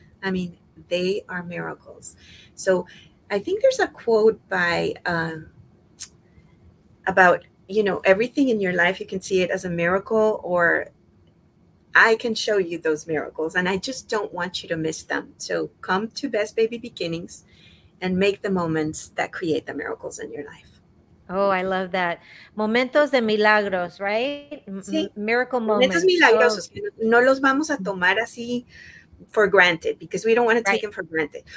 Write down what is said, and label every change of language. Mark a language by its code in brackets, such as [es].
[en] I mean, they are miracles. So I think there's a quote by about, you know, everything in your life, you can see it as a miracle, or I can show you those miracles, and I just don't want you to miss them. So come to Best Baby Beginnings and make the moments that create the miracles in your life. Oh, I love that. [es] Momentos de milagros, [en] right? [es] Sí. [en] Miracle moments. [es] Momentos milagrosos. Oh. No los vamos a tomar así [en] for granted, because we don't want to take him for granted.